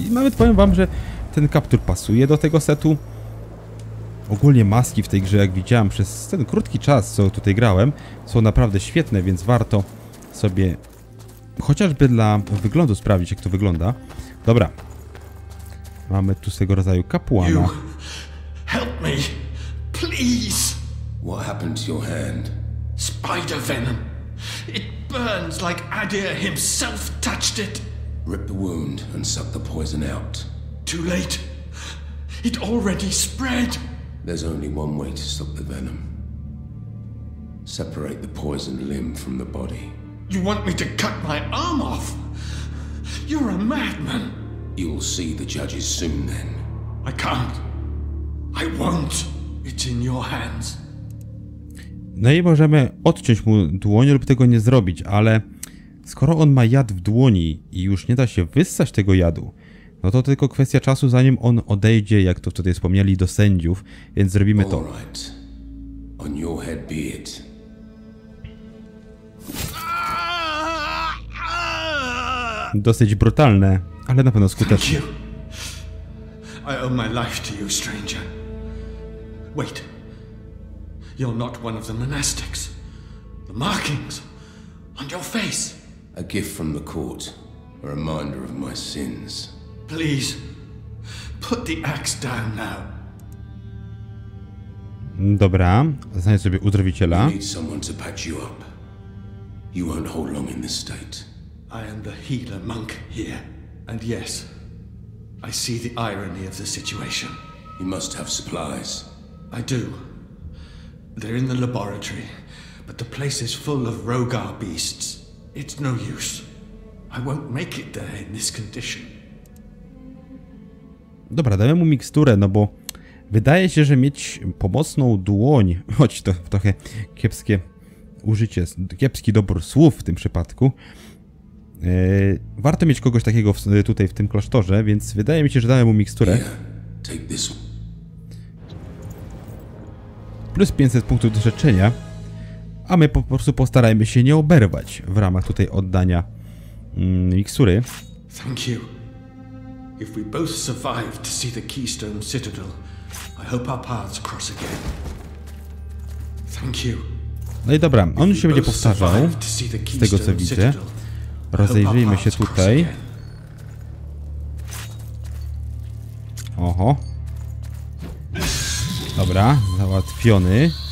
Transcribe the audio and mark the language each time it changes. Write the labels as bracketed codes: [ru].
[pl] I nawet powiem wam, że ten kaptur pasuje do tego setu. Ogólnie maski w tej grze, jak widziałem przez ten krótki czas, co tutaj grałem, są naprawdę świetne, więc warto sobie... Chociażby dla wyglądu sprawdzić, jak to wygląda. Dobra. Mamy tu swego rodzaju kapłana. [en] Help me, please. What happened to your hand? Spider venom. It burns like Adir himself touched it. Rip the wound and suck the poison out. Too late. It already spread. There's only one way to stop the venom. Separate the poisoned limb from the body. You want me to cut my arm off? You're a madman. You'll see the judges soon then. I can't. I won't. It's in your hands. [pl] No i możemy odciąć mu dłoń lub tego nie zrobić, ale skoro on ma jad w dłoni i już nie da się wyssać tego jadu, no to tylko kwestia czasu, zanim on odejdzie, jak to wtedy wspomnieli, do sędziów, więc zrobimy to. [en] All right. On your head be it. [pl] Dosyć brutalne, ale na pewno skuteczne. [en] I owe my life to you, stranger. Wait. You're not one of the monastics. The markings on your face. A gift from the court, a reminder of my sins. Please, put the axe down now. [pl] Dobra, znajdź sobie uzdrowiciela. [en] You need someone to patch you up. You won't hold long in this state. I am the healer monk here, and yes, I see the irony of the situation. You must have supplies. I do. They're in the laboratory, but the place is full of rogar beasts. It's no use. I won't make it there in this condition. [pl] Dobra, dajmy mu miksturę, no bo wydaje się, że mieć pomocną dłoń, choć to trochę kiepskie użycie, kiepski dobór słów w tym przypadku. Warto mieć kogoś takiego tutaj w tym klasztorze, więc wydaje mi się, że dałem mu miksturę. Plus 500 punktów doświadczenia, a my po prostu postarajmy się nie oberwać w ramach tutaj oddania miksury. [en] Thank you. If we both survive to see the Keystone Citadel, I hope our paths cross again. Thank you. [pl] No i dobra, on już się będzie powtarzał z tego co widzę. Rozejrzyjmy się tutaj. Oho. Dobra, załatwiony.